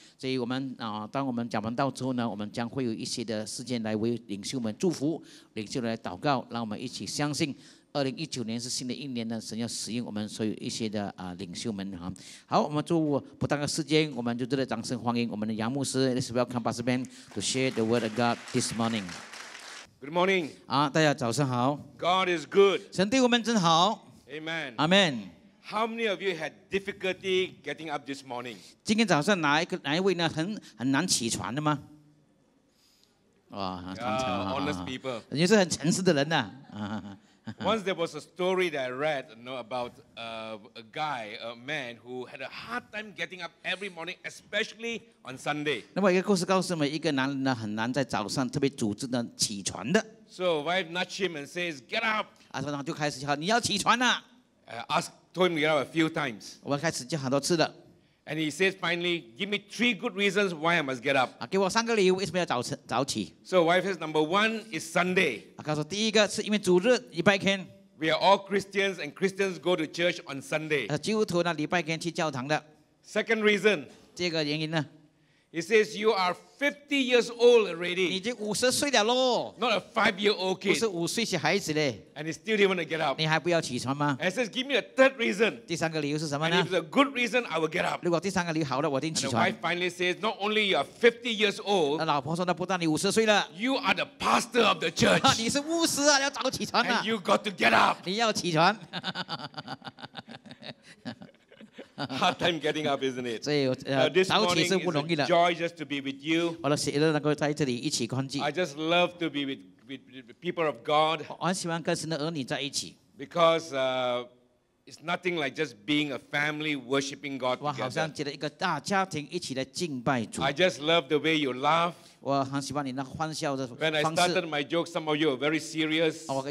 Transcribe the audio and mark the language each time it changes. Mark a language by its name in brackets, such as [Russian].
[Chinese] 所以我们当我们讲完道之后呢，我们将会有一些的时间来为领袖们祝福，领袖来祷告，让我们一起相信2019年是新的一年呢，神要使用我们所有一些的领袖们。好，我们就不耽搁时间，我们就热烈掌声欢迎我们的杨牧师。 [English] Let's welcome Pastor Ben to share the word of God this morning. Good morning. [Chinese] 大家早上好。 [English] God is good. [Chinese] 神对我们真好。 [English] Amen. Amen. How many of you had difficulty getting up this morning? [Chinese] 今天早上哪一位呢？很难起床的吗？ [English] Honest people. [Chinese] 你是很诚实的人呐。 [English] Once there was a story that I read, you know, about a guy, a man who had a hard time getting up every morning, especially on Sunday. [Chinese] 那么一个故事告诉我们，一个男人呢很难在早上特别组织呢起床的。 [English] So wife nudged him and says, "Get up!" [Chinese] 然后就开始叫你要起床了。 [English] Told him to get up a few times. [Chinese] 我开始叫很多次的。 [English] And he says, finally, "Give me three good reasons why I must get up." [Chinese] 给我三个理由为什么要早起。 [English] So, wife says, "Number one is Sunday." [Chinese] 告诉第一个是因为主日礼拜天。 [English] We are all Christians, and Christians go to church on Sunday. [Chinese] 基督徒呢礼拜天去教堂的。 [English] Second reason. [Chinese] 这个原因呢？ [English] He says you are 50 years old already. [Chinese] 你已经五十岁了咯。 [English] Not a 5-year-old kid. [Chinese] 不是五岁小孩子嘞。 [English] And he still didn't want to get up. [Chinese] 你还不要起床吗？ [English] He says, give me a third reason. [Chinese] 第三个理由是什么呢？ [English] And if it's a good reason, I will get up. [Chinese] 如果第三个理由好的，我一定起床。 [English] And the wife finally says, not only you are 50 years old. [Chinese] 那老婆说，那不但你五十岁了。 [English] You are the pastor of the church. [Chinese] 你是牧师啊，要早起床啊。 [English] And you got to get up. [Chinese] 你要起床。 [English] Hard time getting up, isn't it? [Chinese] 所以早起是不容易的。 [English] Joy just to be with you. [Chinese] 我的喜乐能够在这里一起欢聚。 [English] I just love to be with people of God. [Chinese] 我很喜欢跟神的儿女在一起。 [English] Because it's nothing like just being a family worshiping God together. [Chinese] 我好像觉得一个大家庭一起来敬拜主。 [English] I just love the way you laugh. [Chinese] 我很喜欢你那个欢笑的方式。 [English] When I started my joke, some of you were very serious.